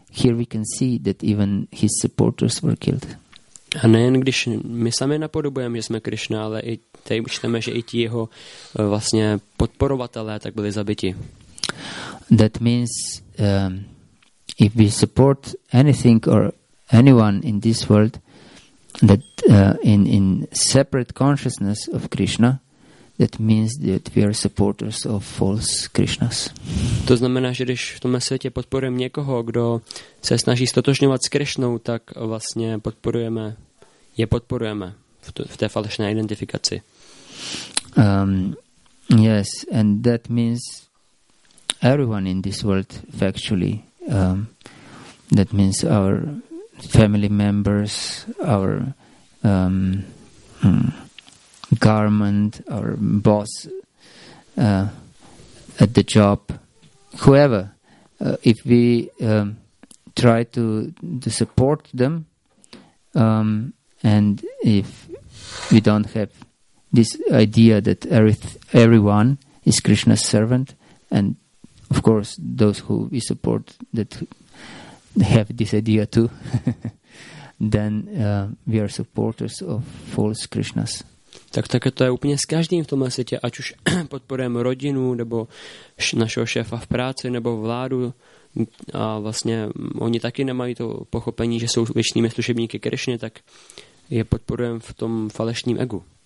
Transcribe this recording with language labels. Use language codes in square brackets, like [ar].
[en] Here we can see that even his supporters were killed. [cs] A nejen když my sami napodobujeme, že jsme Krishna, ale i tady čteme, že i ti jeho vlastně podporovatelé tak byli zabiti. [en] That means if we support anything or anyone in this world that in separate consciousness of Krishna, that means that we are supporters of false Krishnas. [cs] To znamená, že když v tom světě podporujeme někoho, kdo se snaží stotožňovat s Krishnou, tak vlastně podporujeme v té falešné identifikaci. [en] Yes, and that means everyone in this world factually, that means our family members, our garment, our boss at the job, whoever. If we try to support them, and if we don't have this idea that everyone is Krishna's servant, and of course those who we support that have this idea too, then we are supporters of false Krishnas. [cs] Tak to je úplně s každým v tomhle světě, ať už podporujeme rodinu, nebo našeho šéfa v práci, nebo vládu, a vlastně oni taky nemají to pochopení, že jsou věčnými služebníky Krishny, tak je podporujeme v tom falešním egu.